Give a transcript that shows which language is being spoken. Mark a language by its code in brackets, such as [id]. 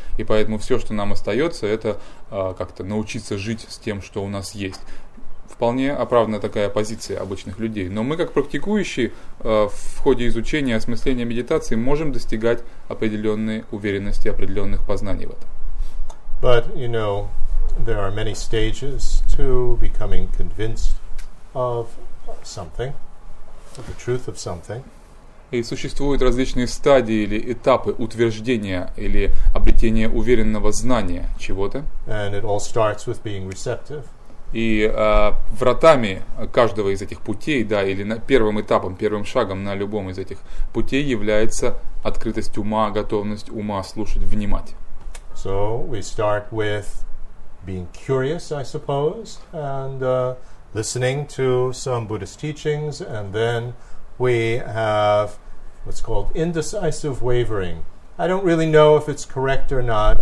[ru] И поэтому все, что нам остается, это как-то научиться жить с тем, что у нас есть. Вполне оправдана такая позиция обычных людей. Но мы, как практикующие, в ходе изучения и осмысления медитации можем достигать определенной уверенности, определенных познаний в этом. [en] But, you know, there are many stages to becoming convinced of something, of the truth of something. [ru] И существуют различные стадии или этапы утверждения или обретения уверенного знания чего-то. [en] And it all starts with being receptive. [ru] И вратами каждого из этих путей, да, или первым этапом, первым шагом на любом из этих путей является открытость ума, готовность ума слушать, внимать. [en] So we start with being curious, I suppose, and listening to some Buddhist teachings, and then we have what's called indecisive wavering. I don't really know if it's correct or not.